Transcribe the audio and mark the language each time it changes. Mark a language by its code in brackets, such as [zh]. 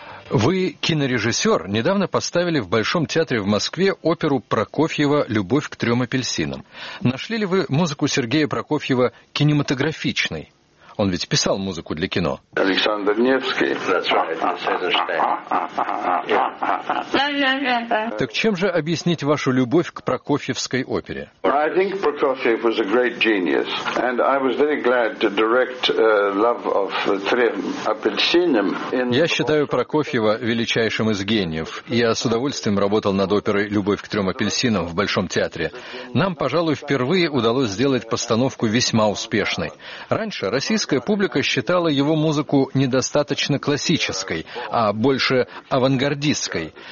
[ru] Вы, кинорежиссер, недавно поставили в Большом театре в Москве оперу Прокофьева «Любовь к трем апельсинам». Нашли ли вы музыку Сергея Прокофьева кинематографичной? Он ведь писал музыку для кино. Александр Невский. [en] That's right. [ru] Так чем же объяснить вашу любовь к прокофьевской опере? [en] I think Prokofiev was a great genius, and I was very glad to direct Love of Trem Apelsinem. [ru] Я считаю Прокофьева величайшим из гениев. Я с удовольствием работал над оперой «Любовь к трем апельсинам» в Большом театре. Нам, пожалуй, впервые удалось сделать постановку весьма успешной. Раньше российская публика считала его музыку недостаточно классической, а больше авангардистской.